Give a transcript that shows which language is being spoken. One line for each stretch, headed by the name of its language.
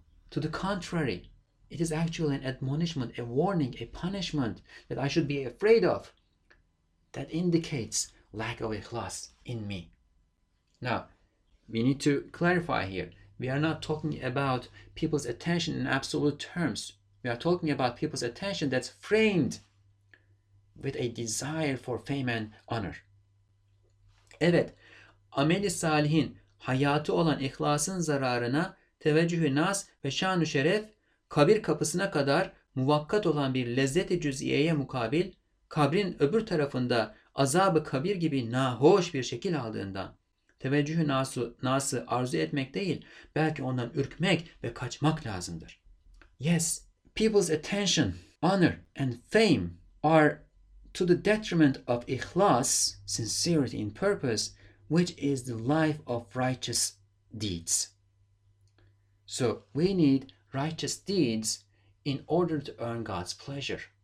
English: To the contrary, it is actually an admonishment, a warning, a punishment that I should be afraid of, that indicates lack of ikhlas in me. Now, we need to clarify here. We are not talking about people's attention in absolute terms. We are talking about people's attention that's framed with a desire for fame and honor.
Turkish: Evet, ameli salihin hayatı olan ihlasın zararına teveccühü nas ve şanu şeref kabir kapısına kadar muvakkat olan bir lezzeti cüziyeye mukabil kabrin öbür tarafında azabı kabir gibi nahoş bir şekil aldığından teveccühü nası arzu etmek değil, belki ondan ürkmek ve kaçmak lazımdır.
English: Yes, people's attention, honor and fame are to the detriment of ikhlas, sincerity in purpose, which is the life of righteous deeds. So we need righteous deeds in order to earn God's pleasure.